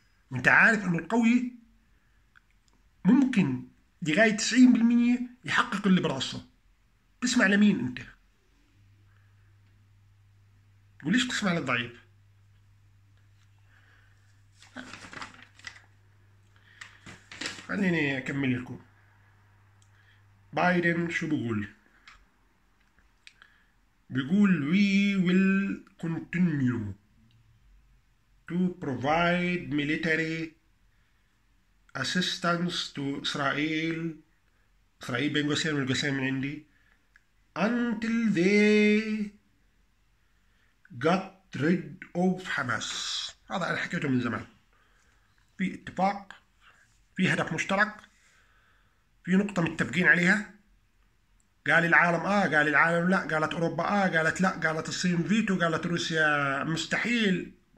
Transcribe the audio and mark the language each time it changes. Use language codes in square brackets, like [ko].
[ar] وأنت عارف إنه القوي ممكن لغاية 90% يحقق اللي براسه، تسمع لمين أنت؟ وليش تسمع للضعيف؟ خليني أكمل لكم. بايدن شو بيقول؟ بيقول [en] we will continue to provide military assistance to Israel. [ar] إسرائيل بين قوسين من القوسين من عندي [en] until they got rid of Hamas. [ar] هذا أنا حكيته من زمان. في اتفاق، في هدف مشترك، في نقطة متفقين عليها، قال العالم آه، قال العالم لا، قالت أوروبا آه، قالت لا، قالت الصين فيتو، قالت روسيا مستحيل.